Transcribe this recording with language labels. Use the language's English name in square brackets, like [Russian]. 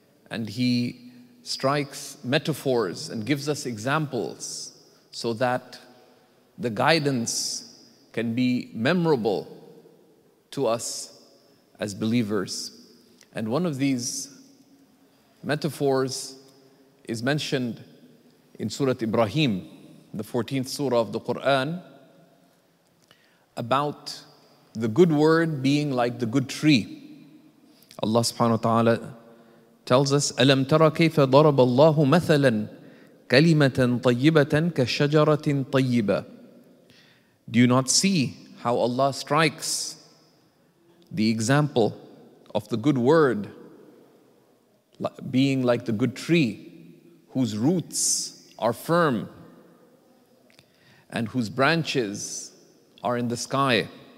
[English] And he strikes metaphors and gives us examples so that the guidance can be memorable to us as believers. And one of these metaphors is mentioned in Surah Ibrahim, the 14th surah of the Quran, about the good word being like the good tree. Allah subhanahu wa ta'ala tells us, [Arabic] أَلَمْ تَرَ كَيْفَ ضَرَبَ اللَّهُ مَثَلًا كَلِمَةً طَيِّبَةً كَشَجَرَةٍ طَيِّبَةً. [English] Do you not see how Allah strikes the example of the good word being like the good tree whose roots are firm and whose branches are in the sky?